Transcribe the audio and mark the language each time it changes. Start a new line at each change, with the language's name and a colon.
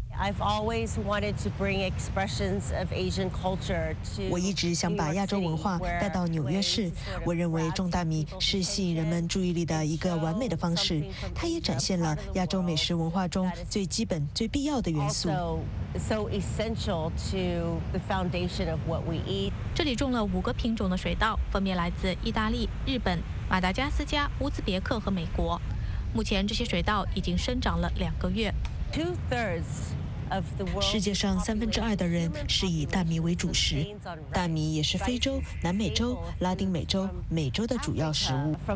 English: I've always wanted to bring expressions of Asian culture to.
Chinese: 我一直想把亚洲文化带到纽约市。我认为种大米是吸引人们注意力的一个完美的方式。它也展现了亚洲美食文化中最基本、最必要的元素。
English: So essential to the foundation of what we eat.
Chinese: 这里种了5个品种的水稻，分别来自意大利、日本、马达加斯加、乌兹别克和美国。目前这些水稻已经生长了2个月。世界上2/3的人是以大米为主食，大米也是非洲、南美洲、拉丁美洲、美洲的主要食物。